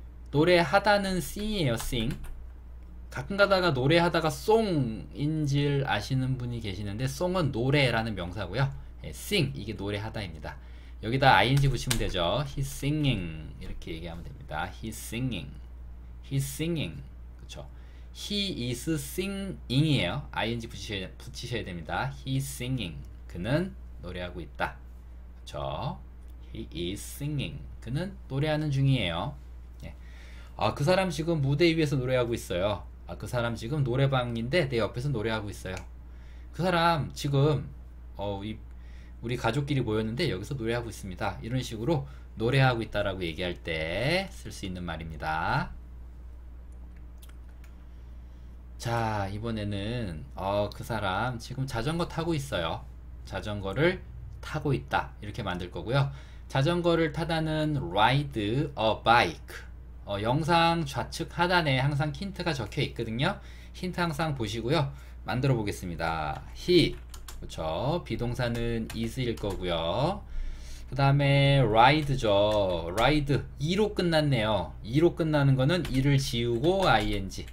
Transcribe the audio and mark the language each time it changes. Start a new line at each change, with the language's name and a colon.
Korean: 노래하다는 sing이에요, sing. 가끔 가다가 노래하다가 song인 줄 아시는 분이 계시는데, song은 노래라는 명사고요. 예, sing, 이게 노래하다입니다. 여기다 ing 붙이면 되죠.
English: He's singing.
Korean: 이렇게 얘기하면 됩니다.
English: He's singing. He's singing. 그쵸. He is singing이에요.
Korean: ing 붙이셔야 됩니다. He's singing. 그는 노래하고 있다. 그쵸.
English: He is singing.
Korean: 그는 노래하는 중이에요. 아, 그 사람 지금 무대 위에서 노래하고 있어요. 아, 그 사람 지금 노래방인데 내 옆에서 노래하고 있어요. 그 사람 지금, 우리 가족끼리 모였는데 여기서 노래하고 있습니다. 이런 식으로 노래하고 있다라고 얘기할 때쓸수 있는 말입니다. 자, 이번에는, 그 사람 지금 자전거 타고 있어요. 자전거를 타고 있다. 이렇게 만들 거고요.
English: 자전거를 타다는 ride a bike.
Korean: 영상 좌측 하단에 항상 힌트가 적혀 있거든요. 힌트 항상 보시고요. 만들어 보겠습니다. He. 그렇죠. 비동사는 is일 거고요. 그 다음에 ride죠. ride. 이로 끝났네요. 이로 끝나는 거는 이를 지우고 ing.